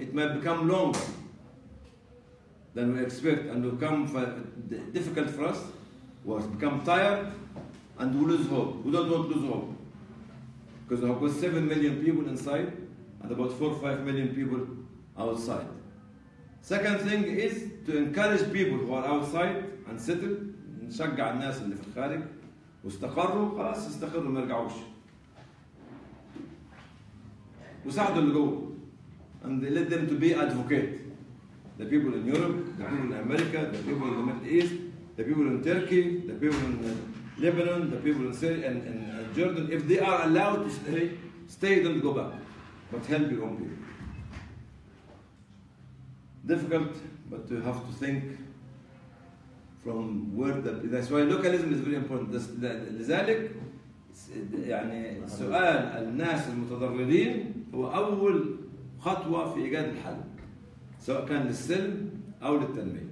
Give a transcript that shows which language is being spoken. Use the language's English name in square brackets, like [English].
[English] It might become longer than we expect and will come for difficult for us. We'll become tired and we'll lose hope. We don't want to lose hope. Because there are 7 million people inside and about 4 or 5 million people outside. Second thing is to encourage people who are outside and settled. [Arabic] نشجع الناس اللي في الخارج واستقروا خلاص استقروا ما رجعوش. وساعدوا اللي جوه. [English] And let them to be advocate. The people in Europe, the people in America, the people in the Middle East, the people in Turkey, the people in Lebanon, the people in Syria and Jordan, if they are allowed to stay, don't go back. But help your own people. Difficult, but you have to think from where the. That's why localism is very important. [Arabic] لذلك يعني سؤال الناس المتضررين هو أول خطوة في إيجاد الحل. سواء كان للسلم أو للتنمية.